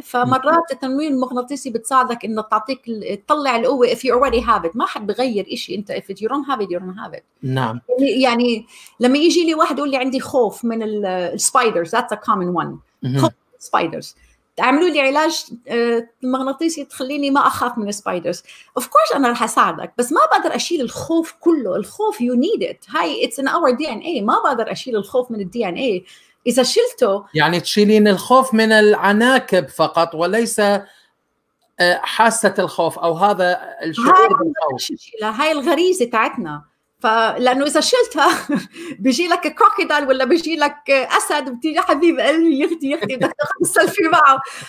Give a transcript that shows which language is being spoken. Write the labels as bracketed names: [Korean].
[Arabic] فمرات التنويم المغناطيسي بتساعدك انه تعطيك تطلع القوه [English] if you already have it. [Arabic] ما حد بغير شيء انت [English] if you don't have it [Arabic] you don't have it. نعم. يعني لما يجي لي واحد يقول لي عندي خوف من السبايدرز [English] that's a common one. [Arabic] خوف من السبايدرز، تعملوا لي علاج مغناطيسي تخليني ما أخاف من السبايدرز. [English] Of course [Arabic] أنا رح أساعدك، بس ما بقدر أشيل الخوف كله. الخوف [English] you need it. [Arabic] هاي [English] it's in our DNA. [Arabic] ما بقدر أشيل الخوف من الDNA. إذا شلته يعني تشيلين الخوف من العناكب فقط وليس حاسة الخوف أو هذا الشعور بالخوف. هاي الغريزة تاعتنا، فلأنه إذا شلتها بيجي لك كروكيدال ولا بيجي لك أسد بتيجي حبيب قلبي يختي يختي بدك تاخذ سيلفي معه.